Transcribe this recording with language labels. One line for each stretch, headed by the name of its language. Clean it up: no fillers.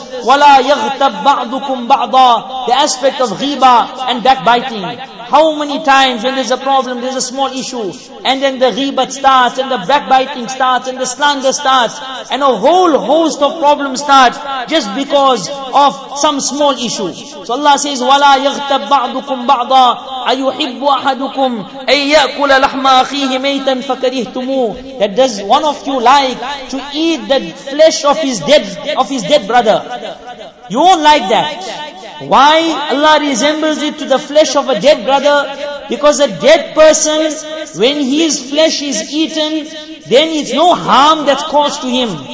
Arabic: وَلَا يَغْتَبْ بَعْضُكُمْ بَعْضًا.
English: The aspect of ghiba and backbiting. How many times when there's a problem, there's a small issue, and then the ghibat starts, and the backbiting starts, and the slander starts, and a whole host of problems start just because of some small issue. So Allah says,
Arabic: وَلَا يَغْتَبْ بَعْضُكُمْ بَعْضًا أَيُحِبُّ أَحَدُكُمْ أَيْ يَأْكُلَ لَحْمَ أَخِيهِ مَيْتًا فَكَرِهْتُمُوهُ.
English: That does one of you like to eat the flesh of his dead brother? You won't like that. Why Allah resembles it to the flesh of a dead brother? Because a dead person, when his flesh is eaten, then it's no harm that's caused to him.